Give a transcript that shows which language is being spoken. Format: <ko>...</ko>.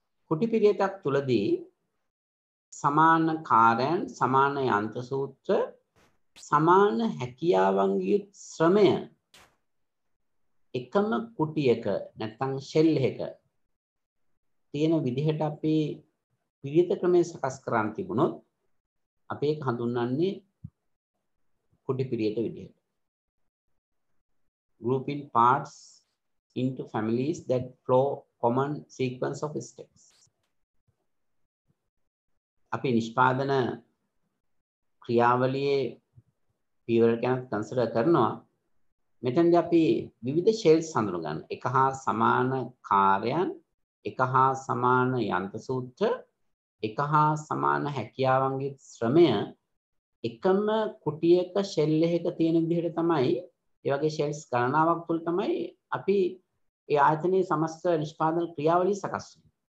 <si>කුටි පිරියතක් තුලදී සමාන කාර්යයන් සමාන යන්ත්‍ර සූත්‍ර සමාන හැකියාවන්ගේ ශ්‍රමය එකම කුටියක නැත්නම් ෂෙල් එකක තියෙන විදිහට අපි පිරිත ක්‍රමයේ සකස් කරන් තිබුණොත් අපි ඒක හඳුන්වන්නේ කුටි පිරිත විදිහට.</si> <en>Grouping parts into families that flow common sequence of steps.</en> <si>අපි නිෂ්පාදන ක්‍රියාවලියේ පීවර ගැන කන්සිඩර් කරනවා. මෙතනදී අපි විවිධ ෂෙල්ස් හඳුනා ගන්න. එක හා සමාන කාර්යයන්, එක හා සමාන යන්ත්‍ර සූත්‍ර, එක හා සමාන හැකියාවන්ගේ ශ්‍රමය එකම කුටියක ෂෙල් එකක තියෙන විදිහට තමයි ඒ වගේ ෂෙල්ස් ගණනාවක් තුල තමයි අපි ඒ ආයතනයේ සමස්ත නිෂ්පාදන ක්‍රියාවලිය සකස් වෙන්නේ.</si>